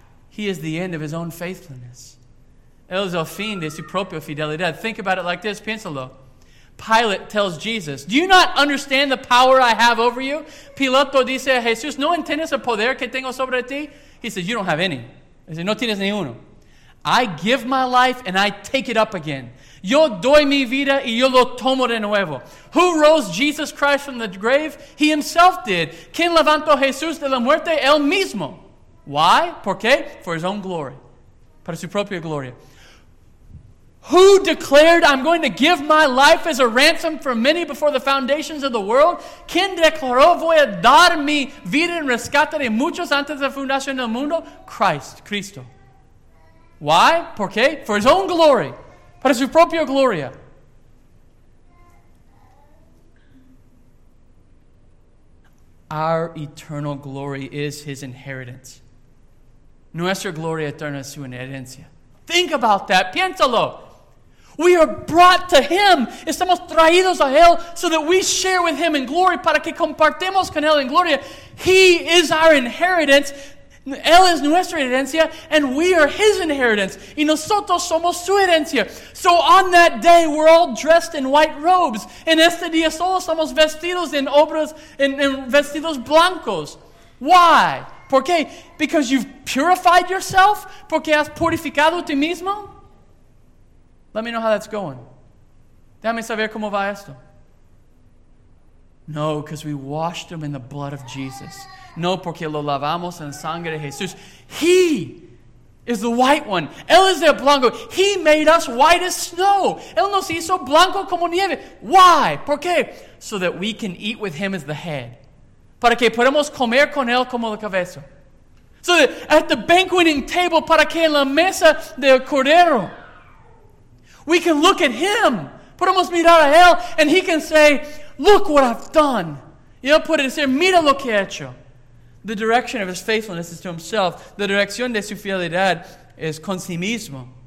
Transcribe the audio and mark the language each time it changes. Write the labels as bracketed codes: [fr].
[en] He is the end of his own faithfulness. [es] Él es el fin de su propia fidelidad. [en] Think about it like this. [es] Piénsalo. [en] Pilate tells Jesus, do you not understand the power I have over you? [es] Piloto dice a Jesús, ¿no entiendes el poder que tengo sobre ti? [en] He says, you don't have any. He says, [es] no tienes ni uno. [en] I give my life and I take it up again. [es] Yo doy mi vida y yo lo tomo de nuevo. [en] Who rose Jesus Christ from the grave? He himself did. [es] ¿Quién levantó Jesús de la muerte? Él mismo. [en] Why? [es] ¿Por qué? [en] For his own glory. [es] Para su propia gloria. [en] Who declared, I'm going to give my life as a ransom for many before the foundations of the world? [es] ¿Quién declaró, voy a dar mi vida en rescate de muchos antes de la fundación del mundo? [en] Christ, Cristo. Why? [es] ¿Por qué? [en] For his own glory. [es] Para su propia gloria. [en] Our eternal glory is his inheritance. [es] Nuestra gloria eterna es su herencia. [en] Think about that. [es] Piénsalo. [en] We are brought to him. [es] Estamos traídos a él [en] so that we share with him in glory. [es] Para que compartamos con él en gloria. [en] He is our inheritance. [es] Él es nuestra herencia, [en] and we are His inheritance. [es] Y nosotros somos su herencia. [en] So on that day, we're all dressed in white robes. [es] En este día solo somos vestidos en obras, en vestidos blancos. [en] Why? [es] ¿Por qué? [en] Because you've purified yourself? [es] ¿Porque has purificado a ti mismo? [en] Let me know how that's going. [es] Déjame saber cómo va esto. [en] No, because we washed them in the blood of Jesus. [es] No, porque lo lavamos en sangre de Jesús. [en] He is the white one. [es] Él es el blanco. [en] He made us white as snow. [es] Él nos hizo blanco como nieve. [en] Why? [es] ¿Por qué? [en] So that we can eat with Him as the head. [es] Para que podamos comer con Él como la cabeza. [en] So that at the banqueting table, [es] para que en la mesa del cordero, [en] we can look at Him. [es] Podemos mirar a Él, [en] and He can say, look what I've done. [es] Y Él puede decir, mira lo que he hecho. [en] The direction of His faithfulness is to Himself. [es] La dirección de su fidelidad es con sí mismo.